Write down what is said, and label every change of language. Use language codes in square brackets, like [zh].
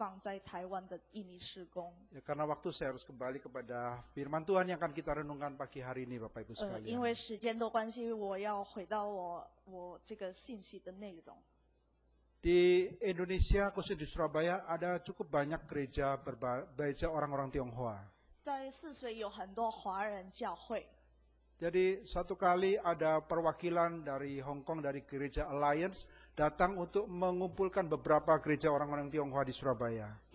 [zh] 也在高雄，也不只是在高雄，也能够祝赐福各地方在台湾的印尼事工。 [id] Karena waktu saya harus kembali kepada firman Tuhan yang akan kita renungkan pagi hari ini, Bapak Ibu sekalian. [zh] 因为时间的关系，我要回到我这个信息的内容。 [id] Di Indonesia, khusus di Surabaya, ada cukup banyak gereja gereja orang-orang Tionghoa. [zh] 在泗水有很多华人教会。 [id] Jadi satu kali ada perwakilan dari Hong Kong dari Gereja Alliance datang untuk mengumpulkan beberapa gereja orang-orang Tionghoa di Surabaya.